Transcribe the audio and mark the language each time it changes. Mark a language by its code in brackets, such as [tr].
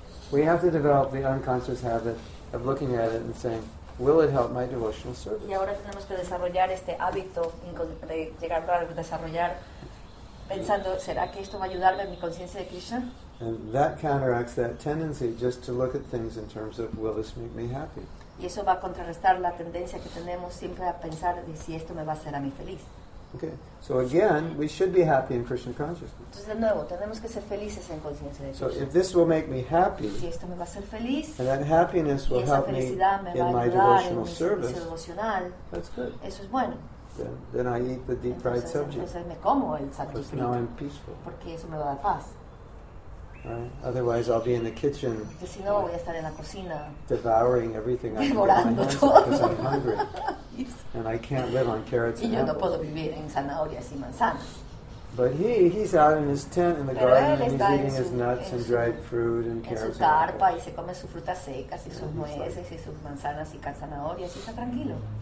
[en] We have to develop the unconscious habit of looking at it and saying, will it help my devotional service? [es] Y ahora tenemos que desarrollar este hábito de llegar a desarrollar pensando, ¿será que esto va a ayudarme en mi conciencia de Krishna? [en] And that counteracts that tendency just to look at things in terms of will this make me happy? [es] Y eso va a contrarrestar la tendencia que tenemos siempre a pensar de si esto me va a hacer a mí feliz. [en] Okay. So again, we should be happy in Krishna consciousness. [es] Entonces de nuevo, tenemos que ser felices en conciencia de Krishna. [en] So if this will make me happy, [es] si esto me va a hacer feliz, [en] and that happiness will help me in my devotional service, that's good. [es] Eso es bueno. [en] Then I eat the deep fried subject. [es] Entonces me como el sabjit frito. [en] Because now I'm peaceful. [es] Porque eso me va a dar paz. [en] Right? Otherwise, I'll be in the kitchen. [es] Que si no, voy a estar en la cocina. [en] Devouring everything I can get my hands on because I'm hungry. And I can't live on carrots [es] y yo [en] and [es] no puedo vivir en zanahorias y manzanas. [en] But he's out in his tent in the [es] pero [en] garden and he's eating [es] su, [en] his nuts and dried fruit and carrots. [es] En su tarpa y se come sus frutas secas y sus nueces y sus manzanas y zanahorias y está tranquilo.